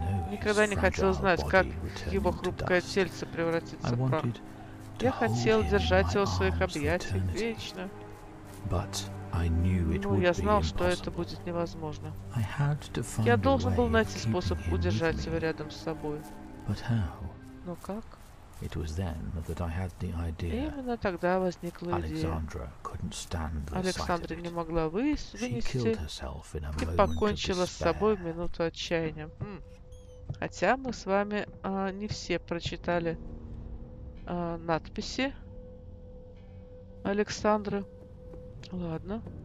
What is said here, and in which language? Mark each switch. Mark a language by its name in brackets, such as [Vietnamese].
[Russian] Никогда не хотел знать, как его хрупкое тельце превратится в прах. Я хотел держать его в своих объятиях вечно. Но я знал, что это будет невозможно. Я должен был найти способ удержать его рядом с собой. Но как? [English] It was then that I had the idea. [Russian] Именно тогда возникла идея. Александра не могла вынести и покончила с собой в минуту отчаяния. Хотя мы с вами не все прочитали надписи Александры. Ладно.